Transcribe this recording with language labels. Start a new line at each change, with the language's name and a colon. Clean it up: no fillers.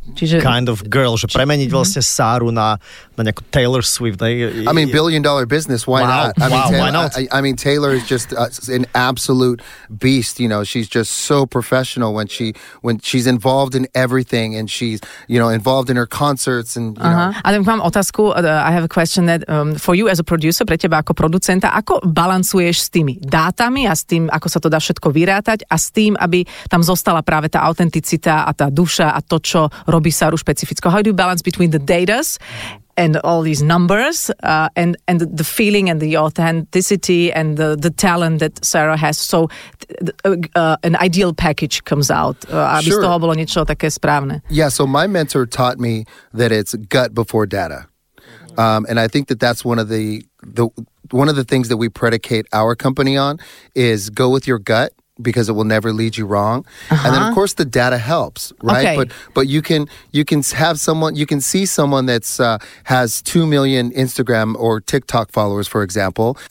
Slovak: Čiže...
English: kind of girl,
Slovak: že premeniť vlastne Sáru na nejakú Taylor Swift.
English: I mean, billion dollar business, why wow, not? I mean, wow, why not? I mean, Taylor is just an absolute beast, you know, she's just so professional when she's involved in everything and she's, you know, involved in her concerts and, you know.
Slovak: A tak mám otázku,
English: I have a question that for you as a producer,
Slovak: pre teba ako producenta, ako balancuješ s tými dátami a s tým, ako sa to dá všetko vyrátať a s tým, aby tam zostala práve tá autenticita a tá duša a to, čo robí Sáru špecifickou.
English: How do you balance between the data and all these numbers and the feeling and the authenticity and the talent that Sarah has? So an ideal package comes out.
Slovak: Aby sure. Z toho bolo niečo také správne.
English: Yeah, so my mentor taught me that it's gut before data. And I think that that's one of the things that we predicate our company on is go with your gut. Because it will never lead you wrong. Uh-huh. And then of course the data helps, right? Okay. But you can see someone that's has 2 million Instagram or TikTok followers, for example.